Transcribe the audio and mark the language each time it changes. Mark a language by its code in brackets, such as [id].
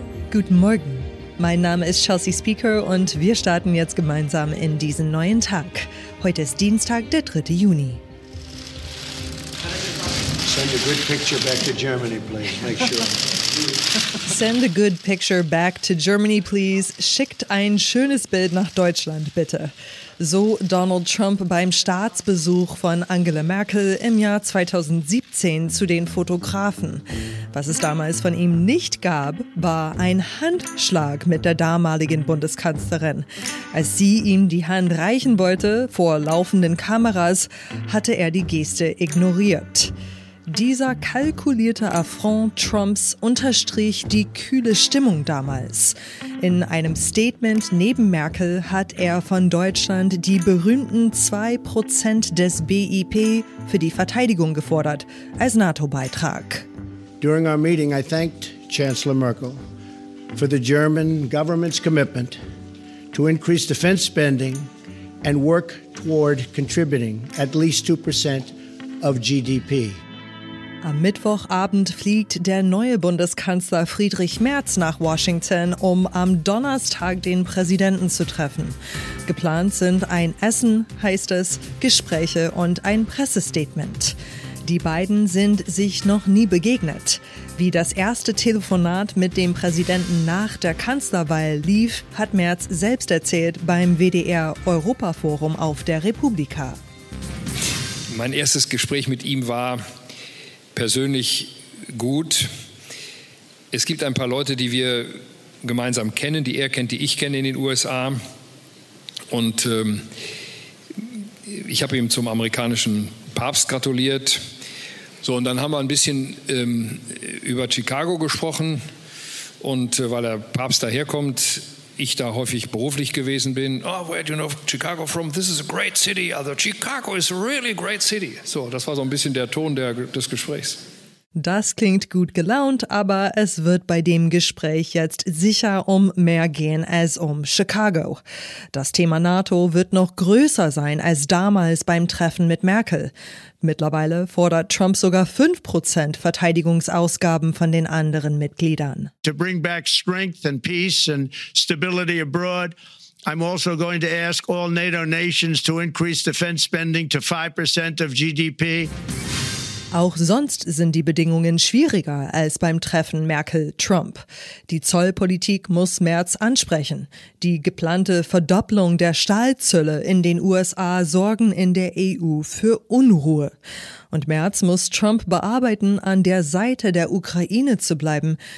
[de] Guten Morgen, mein Name ist Chelsea Speaker und wir starten jetzt gemeinsam in diesen neuen Tag. Heute ist Dienstag, der 3. Juni. [en] Send a good picture back to Germany, please. Make sure. Send a good picture back to Germany, please. [de] Schickt ein schönes Bild nach Deutschland, bitte. So Donald Trump beim Staatsbesuch von Angela Merkel im Jahr 2017 zu den Fotografen. Was es damals von ihm nicht gab, war ein Handschlag mit der damaligen Bundeskanzlerin. Als sie ihm die Hand reichen wollte, vor laufenden Kameras, hatte er die Geste ignoriert. Dieser kalkulierte Affront Trumps unterstrich die kühle Stimmung damals. In einem Statement neben Merkel hat er von Deutschland die berühmten 2% des BIP für die Verteidigung gefordert, als NATO-Beitrag. [en] During our meeting, I thanked Chancellor Merkel for the German government's commitment to increase defense spending and work toward contributing at least 2% of GDP. [de] Am Mittwochabend fliegt der neue Bundeskanzler Friedrich Merz nach Washington, um am Donnerstag den Präsidenten zu treffen. Geplant sind ein Essen, heißt es, Gespräche und ein Pressestatement. Die beiden sind sich noch nie begegnet. Wie das erste Telefonat mit dem Präsidenten nach der Kanzlerwahl lief, hat Merz selbst erzählt beim WDR-Europaforum auf der Republika. Mein erstes Gespräch mit ihm war persönlich gut. Es gibt ein paar Leute, die wir gemeinsam kennen, die er kennt, die ich kenne in den USA. Und ich habe ihm zum amerikanischen Papst gratuliert. So, und dann haben wir ein bisschen über Chicago gesprochen. Und weil der Papst daherkommt, ich da häufig beruflich gewesen bin. [en] Oh, where do you know Chicago from? This is a great city. Also Chicago is a really great city. [de] So, das war so ein bisschen der Ton des Gesprächs. Das klingt gut gelaunt, aber es wird bei dem Gespräch jetzt sicher um mehr gehen als um Chicago. Das Thema NATO wird noch größer sein als damals beim Treffen mit Merkel. Mittlerweile fordert Trump sogar 5% Verteidigungsausgaben von den anderen Mitgliedern. [en] To bring back strength and peace and stability abroad, I'm also going to ask all NATO nations to increase defense spending to 5% of GDP. [de] Auch sonst sind die Bedingungen schwieriger als beim Treffen Merkel-Trump. Die Zollpolitik muss Merz ansprechen. Die geplante Verdopplung der Stahlzölle in den USA sorgen in der EU für Unruhe. Und Merz muss Trump bearbeiten, an der Seite der Ukraine zu bleiben.